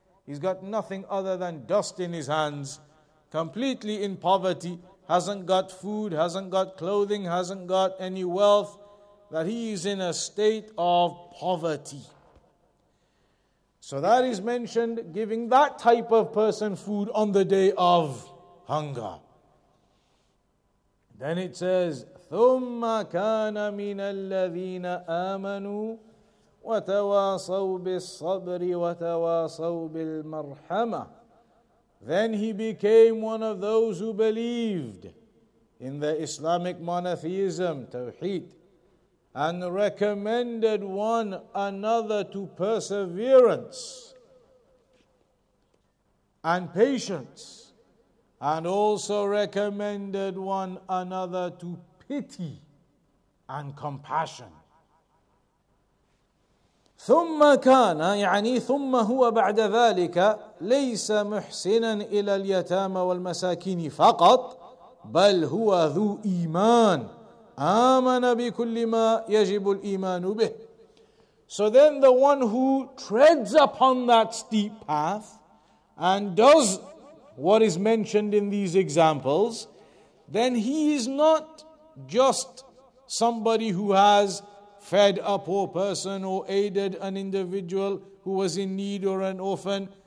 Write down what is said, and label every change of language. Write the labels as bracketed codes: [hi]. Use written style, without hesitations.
[en] He's got nothing other than dust in his hands, completely in poverty, hasn't got food, hasn't got clothing, hasn't got any wealth, that he is in a state of poverty. So that is mentioned, giving that type of person food on the day of hunger. Then it says, [ar] ثُمَّ كَانَ مِنَ الَّذِينَ آمَنُوا وَتَوَاصَوْا بِالصَّبْرِ وَتَوَاصَوْا بِالْمَرْحَمَةِ. [en] Then he became one of those who believed in the Islamic monotheism, Tawheed, and recommended one another to perseverance and patience, and also recommended one another to pity and compassion. [ar] ثم كان يعني ثم هو بعد ذلك ليس محسنا إلى اليتامى والمساكين فقط بل هو ذو إيمان آمن بكل ما يجب الإيمان به. [en] So then the one who treads upon that steep path and does what is mentioned in these examples, then he is not just somebody who has fed a poor person or aided an individual who was in need or an orphan.